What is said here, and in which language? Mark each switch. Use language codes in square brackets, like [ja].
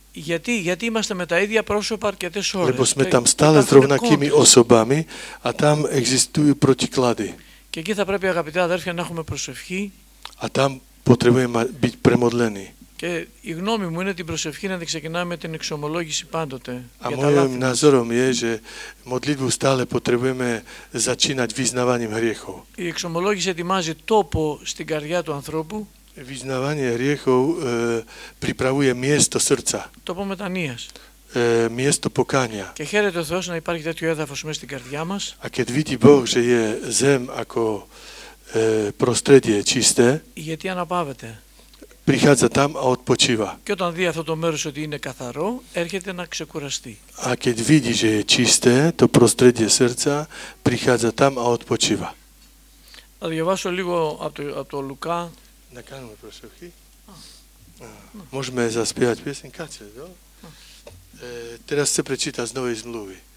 [el] Γιατί είμαστε με τα ίδια πρόσωπα αρκετές ώρες. [sk] Lebo sme tam stále s rovnakými osobami a tam existujú protiklady. [el] Και εκεί θα πρέπει, αγαπητά αδέρφια, να έχουμε προσευχή. [sk] A tam potrebujeme byť premodlení. [el] Και η γνώμη μου είναι την προσευχή να την ξεκινάμε την εξομολόγηση πάντοτε. [sk] A mojom názorom je, že modlitbu stále potrebujeme začínať vyznávaním hriechov. [el] Η εξομολόγηση ετοιμάζει τόπο στην καρδιά του ανθρώπου. [sk] Vyznávanie hriechov pripravuje miesto srdca. [el] Τόπο μετανοίας. [sk] Miesto pokania. [el] Και χαίρεται ο Θεός να υπάρχει τέτοιο έδαφος μέσα στην καρδιά μας. [sk] A keď vidí Boh, že je zem ako prostredie čisté. [el] Γιατί αναπαύεται. [sk] Prichádza tam a odpočíva. [el] Και όταν δει αυτό το μέρος ότι είναι καθαρό, έρχεται να ξεκουραστεί. [sk] A keď vidí, že je čisté, [el] το [sk] prostredie srdca, prichádza tam a odpočíva. [el] Θα διαβάσω λίγο από το Λουκά. Να κάνουμε προσευχή. [sk] Μόσμε ζασπίατ πιέσιν, [el] κάτσε εδώ. [sk] Τώρα σε πρεσίτας νόη σμλούβη.